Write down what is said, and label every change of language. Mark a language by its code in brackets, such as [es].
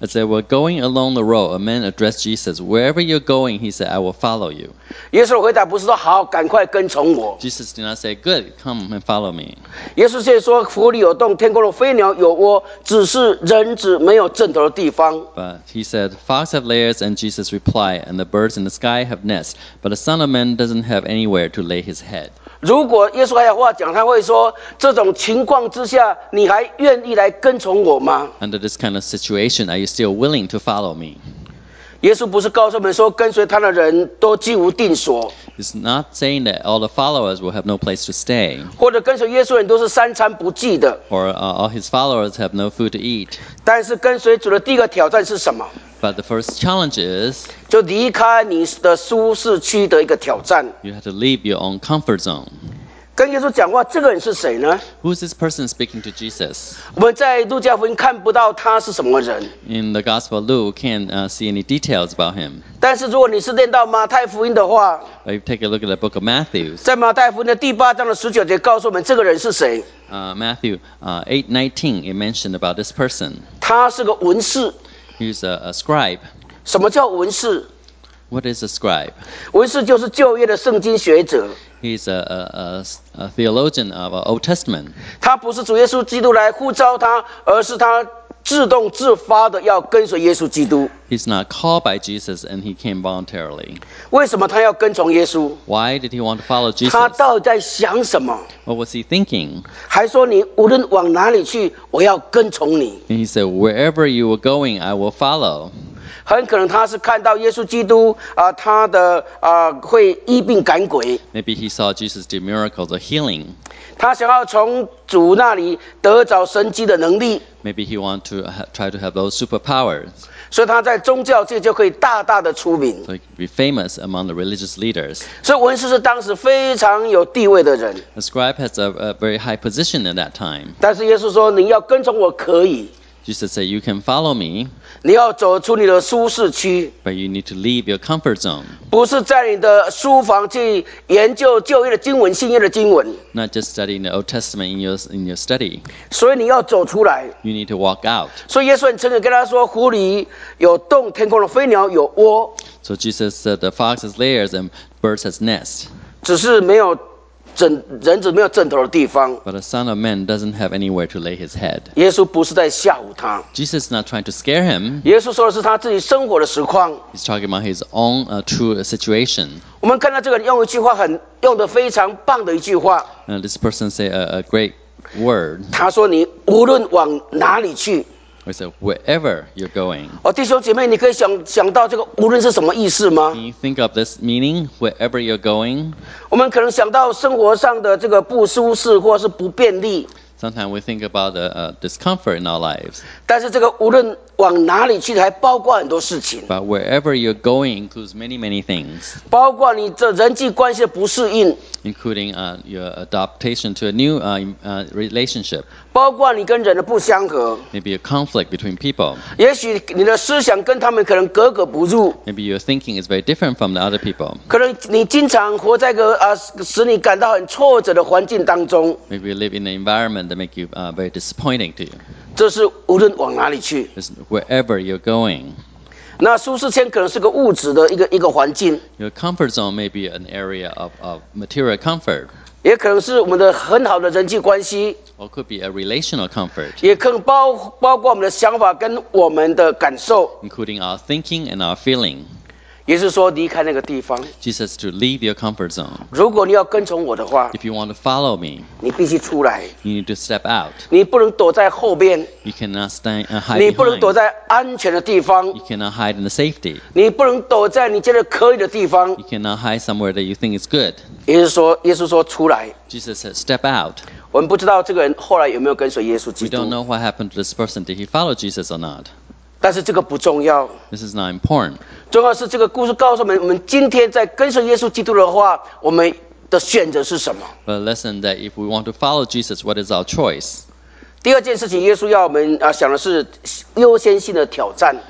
[en] As they were going along the road, a man addressed Jesus, "Wherever you're going," he said, "I will follow you." [zh] 耶稣回答不是说好，赶快跟从我。 [en] Jesus did not say, "Good, come and follow me." [zh] 耶稣却说，湖里有洞，天空的飞鸟有窝，只是人子没有枕头的地方。 [en] But he said, "Fox have lairs," and Jesus replied, "And the birds in the sky have nests." But the Son of Man doesn't have anywhere to lay his head. [zh] 如果耶稣还有话讲，他会说：这种情况之下，你还愿意来跟从我吗？ [en] Under this kind of situation, are you still willing to follow me? [zh] 耶稣不是告诉我们说，跟随他的人都居无定所。 [en] It's not saying that all the followers will have no place to stay. [zh] 或者跟随耶稣人都是三餐不济的。 [en] Or all his followers have no food to eat. [zh] 但是跟随主的第一个挑战是什么？ [en] But the first challenge is, [zh] 就离开你的舒适区的一个挑战。 [en] You have to leave your own comfort zone. [zh] 跟耶稣讲话，这个人是谁呢？ [en] Who is this person speaking to Jesus? [zh] 我们在路加福音看不到他是什么人。 [en] In the Gospel of Luke, can't see any details about him. [zh] 但是如果你是念到马太福音的话， [en] If you take a look at the book of Matthew, [zh] 在马太福音的第八章的十九节告诉我们这个人是谁。 [en] Matthew 8:19, it mentioned about this person. [zh] 他是个文士。 [en] He's a scribe. [zh] 什么叫文士？ [en] What is a scribe? [zh] 文士就是旧约的圣经学者。 [en] He's a theologian of the Old Testament. [zh] 他不是主耶稣基督来呼召他，而是他自动自发的要跟随耶稣基督。 [en] He's not called by Jesus, and he came voluntarily. [zh] 为什么他要跟从耶稣？ [en] Why did he want to follow Jesus? [zh] 他到底在想什么？ [en] What was he thinking? [zh] 还说你无论往哪里去，我要跟从你。 [en] And he said, "Wherever you are going, I will follow." [zh] 很可能他是看到耶稣基督他会医病赶鬼。 [en] Maybe he saw Jesus do miracles of healing. [zh] 他想要从主那里得着神迹的能力。 [en] Maybe he want to try to have those superpowers. [zh] 所以他在宗教界就可以大大的出名。 [en] So he could be famous among the religious leaders. [zh] 所以文士是当时非常有地位的人。 [en] A scribe has a very high position at that time. [zh] 但是耶稣说你要跟从我可以。 [en] Jesus said, "You can follow me." [zh] 你要走出你的舒适区。 [en] But you need to leave your comfort zone. [zh] 不是在你的书房去研究旧约的经文、新约的经文。 [en] Not just studying the Old Testament in your study. [zh] 所以你要走出来。 [en] You need to walk out. [zh] 所以耶稣很诚恳跟他说：“湖里有洞，天空的飞鸟有窝。” [en] So Jesus said, "The fox has lairs and birds has nests." [zh] 只是没有。人子没有枕头的地方。 [en] But the Son of Man doesn't have anywhere to lay his head. [zh] 耶稣不是在吓唬他。 [en] Jesus is not trying to scare him. [zh] 耶稣说的是他自己生活的实况。 [en] He's talking about his own true situation. [zh] 我们看到这个人用一句话很用得非常棒的一句话。 [en] This person said a great word. [zh] 他说你无论往哪里去。 [en] He said, "Wherever you're going." [zh] 弟兄姐妹，你可以想到这个无论是什么意思吗？ [en] Can you think of this meaning, wherever you're going? [zh] 我们可能想到生活上的这个不舒适或是不便利。 [en] Sometimes we think about the discomfort in our lives. [zh] 但是这个无论往哪里去，还包括很多事情。 [en] But wherever you're going includes many, many things. [zh] 包括你这人际关系的不适应。 [en] Including your adaptation to a new relationship. [zh] 包括你跟人的不相合。 [en] Maybe a conflict between people. [zh] 也许你的思想跟他们可能格格不入。 [en] Maybe your thinking is very different from the other people. [zh] 可能你经常活在个使你感到很挫折的环境当中。 [en] Maybe you live in an environment that makes you very disappointing to you. [zh] 这是无论往哪里去。 [en] It's wherever you're going. [zh] 那舒适圈可能是个物质的一个环境。 [en] Your comfort zone may be an area of material comfort. [zh] 也可能是我们的很好的人际关系。 [en] Or could be a relational comfort. [zh] 也可能包括我们的想法跟我们的感受。 [en] Including our thinking and our feeling. [zh] 也是说离开那个地方。 [en] Jesus to leave your comfort zone. [zh] 如果你要跟从我的话。 [en] If you want to follow me. [zh] 你必须出来。 [en] You need to step out. [zh] 你不能躲在后边。 [en] You cannot stand and hide behind. [zh] 你不能躲在安全的地方。 [en] You cannot hide in the safety. [zh] 你不能躲在你觉得可以的地方。 [en] You cannot hide somewhere that you think is good. [zh] 也是说，耶稣说出来。 [en] Jesus said, step out. [zh] 我们不知道这个人后来有没有跟随耶稣基督。 [en] We don't know what happened to this person. Did he follow Jesus or not? [zh] 但是这个不重要。 [en] This is not important. [zh] 重要是这个故事告诉我们，我们今天在跟随耶稣基督的话，我们。的选择是什么。 [en] But listen, that if we want to follow Jesus, what is our choice? [zh] 第二件事情，耶稣要我们想的是优先性的挑战。